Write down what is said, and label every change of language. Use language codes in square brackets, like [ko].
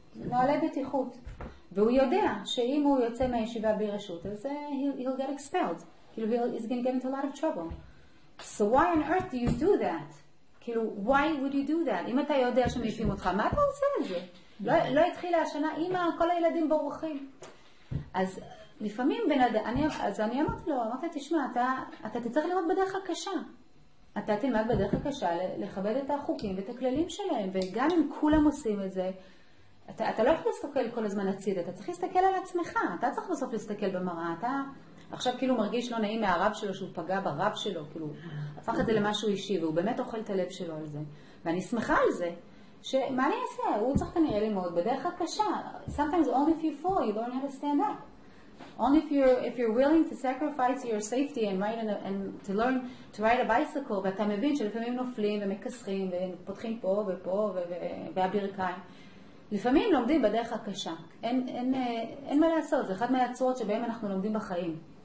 [he] נועלי בטיחות. והוא יודע שאם הוא יוצא מהישיבה בלי רשות, אז [en] he'll get expelled. He's going to get into a lot of trouble. So why on earth do you do that? כאילו, why would you do that? [he] אם אתה יודע שמעיפים אותך, מה אתה עושה על זה? לא התחילה השנה, אמא, כל הילדים בורחים. אז לפעמים בן אדם, אז אני אמרתי לו, אמרתי, תשמע, אתה תצטרך לראות בדרך הקשה. אתה תלמד בדרך הקשה לכבד את החוקים ואת הכללים שלהם, וגם אם כולם עושים את זה, אתה לא יכול להסתכל כל הזמן הציד, אתה צריך להסתכל על עצמך, אתה צריך בסוף להסתכל במראה, אתה עכשיו כאילו מרגיש לא נעים מהרב שלו, שהוא פגע ברב שלו, כאילו, הפך את זה למשהו אישי, והוא באמת אוכל את הלב שלו על זה. ואני שמחה על זה, שמה אני אעשה? הוא צריך כנראה ללמוד בדרך הקשה. [en] Sometimes only if you fall, you don't understand that. Only if you're willing to sacrifice your safety and to learn to ride a bicycle, [he] ואתה מבין שלפעמים נופלים ומקסחים ופותחים פה ופה והברכיים, לפעמים לומדים בדרך הקשה. אין מה לעשות, זה אחד מהצורות שבהם אנחנו לומדים בחיים.